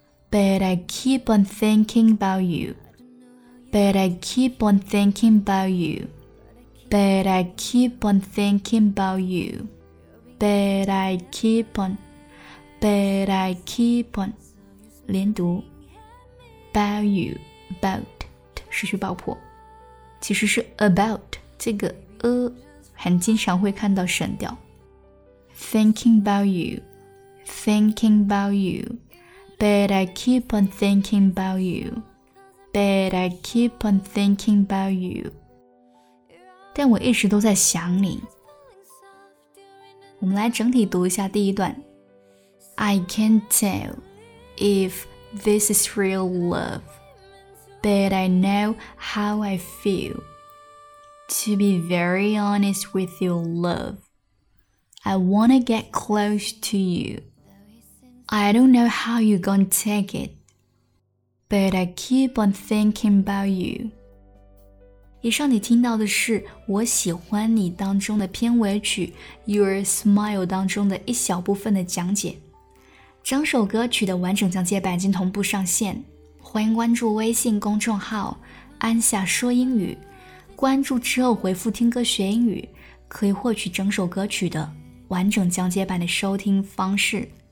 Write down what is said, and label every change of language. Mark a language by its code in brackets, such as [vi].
[en] But I keep on thinking about you. But I keep on thinking about you. But I keep on thinking about you. But I keep on. But I keep on. [zh] 连读。 [en] About you. About. [zh] 失去爆破。其实是 about， 这个很经常会看到省掉。 [en] Thinking about you, thinking about you, but I keep on thinking about you, but I keep on thinking about you。 [zh] 但我一直都在想你。我们来整体读一下第一段。 [en] I can't tell if this is real love, but I know how I feel. To be very honest with you, love, I wanna get close to you. I don't know how you're gonna take it, but I keep on thinking about you. [zh] 以上你听到的是我喜欢你当中的片尾曲 Your Smile 当中的一小部分的讲解。整首歌曲的完整讲解版已经同步上线，欢迎关注微信公众号安夏说英语，关注之后回复听歌学英语，可以获取整首歌曲的完整讲解版的收听方式。